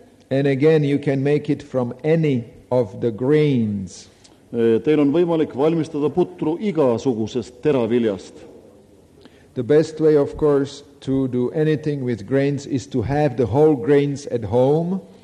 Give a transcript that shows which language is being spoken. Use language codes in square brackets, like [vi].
[en] And again, you can make it from any of the grains. [et] Teil on võimalik valmistada putru igasugusest teraviljast. [en] The best way, of course, to do anything with grains is to have the whole grains at home.